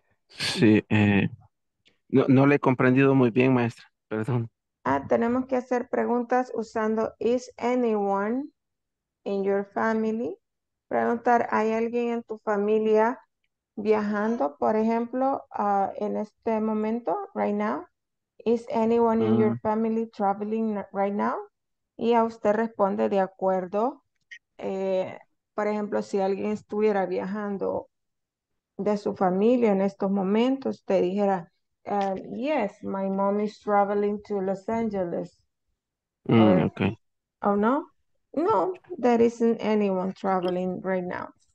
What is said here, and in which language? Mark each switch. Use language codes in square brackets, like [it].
[es] Sí, no le he comprendido muy bien, maestra. Perdón. Ah, tenemos que hacer preguntas usando [en] is anyone in your family. [es] Preguntar, ¿hay alguien en tu familia viajando, por ejemplo, en este momento, [en] right now? Is anyone in your family traveling right now? [es] Y a usted responde de acuerdo. Por ejemplo, si alguien estuviera viajando de su familia en estos momentos, usted dijera, [en] yes, my mom is traveling to Los Angeles. Okay. Oh, no? No, there isn't anyone traveling right now.